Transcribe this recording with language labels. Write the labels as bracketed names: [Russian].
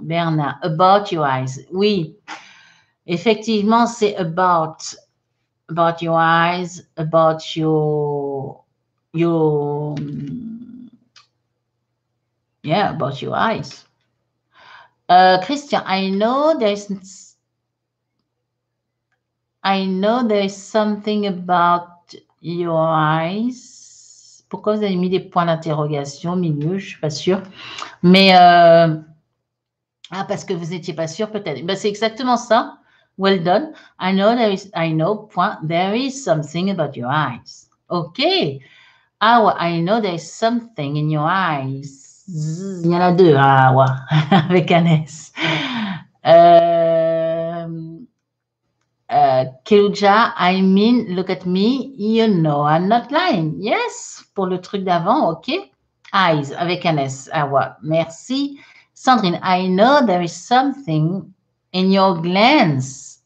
[English] Bernard, about your eyes. [French] Oui, effectivement, c'est [English] about your eyes, about about your eyes. Christian, I know there's something about your eyes. [French] Pourquoi vous avez mis des points d'interrogation au milieu? Je suis pas sûre. Mais parce que vous n'étiez pas sûre peut-être. Ben, c'est exactement ça. [English] Well done. I know there is, I know, point, there is something about your eyes. Okay. Awa, I know there is something in your eyes. [French] Il y en a deux, Awa, avec un S. [English] Kiruja, I mean, look at me, you know I'm not lying. [French] Yes, pour le truc d'avant, ok. Eyes, avec un S, Awa, merci. [English] Sandrine, I know there is something in your glance.